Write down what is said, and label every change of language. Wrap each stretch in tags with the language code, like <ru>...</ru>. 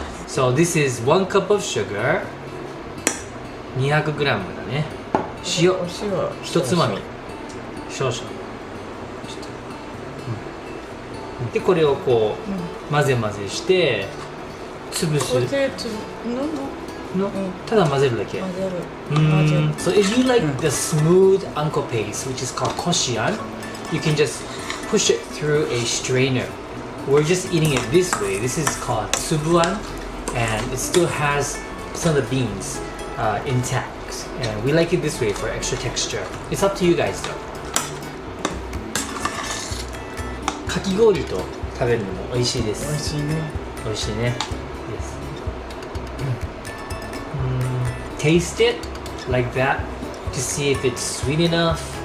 <en>So this is 1 cup of sugar 200g</en> <ja>だね。塩、お塩ひとつまみ少々、ちょっと、うん、で、これをこう、うん、混ぜ混ぜして潰す。</ja> <en>No?</en> <ja>うん、ただ混ぜるだけ。混ぜる。</ja> <en>So if you like the smooth anko paste, which is called koshian, you can just push it through a strainer. We're just eating it this way. This is called tsubuan, and it still has some of the beans、intact. And we like it this way for extra texture. It's up to you guys though.</en> <ja>かき氷と食べるのも美味しいです。美味しいね。美味しいね。</ja> <en>Taste it like that to see if it's sweet enough.</en>